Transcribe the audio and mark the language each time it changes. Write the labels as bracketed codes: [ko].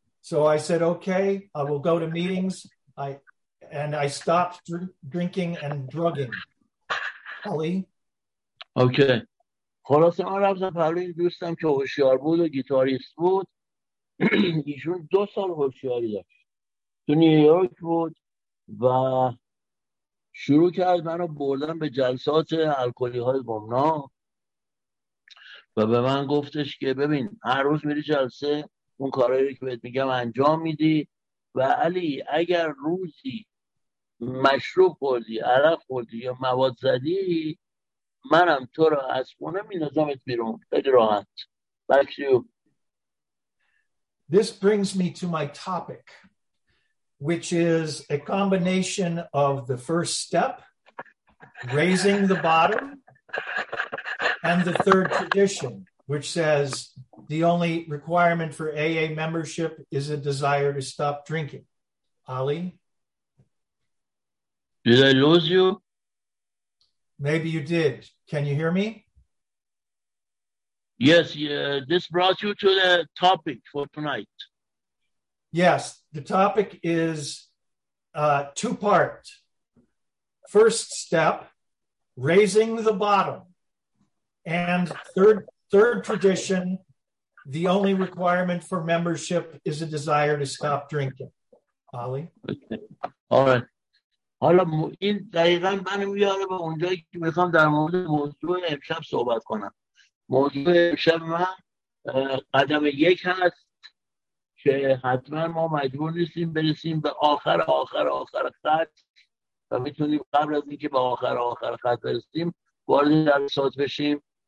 [en] So I said, okay, I will go to meetings. I stopped drinking and drugging. Okay. [fa] خلاصه من رفتم پروی دوستم که هوشیار بود و گیتاریست بود. ایشون 2 سال هوشیاری داشت. تو نیویورک بود و شروع کرد منو بردن به جلسات الکلی های گمنا و به من گفتش که ببین هر روز میری جلسه اون کارهایی که بهت میگم انجام میدی و علی اگر روزی مشروب خوردی، عرق خوردی یا مواد زدی، منم تو رو از خونه می‌ندازمت بیرون. خیلی راحت. [en] Back to you. This brings me to my topic, which is a combination of the first step, raising the bottom, and the third tradition, which says the only requirement for AA membership is a desire to stop drinking. Ali? Did I lose you? Maybe you did. Can you hear me? Yes, this brought you to the topic for tonight. Yes, the topic is two-part. First step, raising the bottom. And third tradition, the only requirement for membership is a desire to stop drinking. Ali? Okay. All right. [fa] حالا این دقیقا منو میاره به اونجایی که میخوام در مورد موضوع امشب صحبت کنم. موضوع امشب من قدم 1 هست که حتما ما مجبور نیستیم برسیم به آخر آخر آخر خط و میتونیم قبل از اینکه به آخر آخر خط برسیم وارد جلسات بشیم.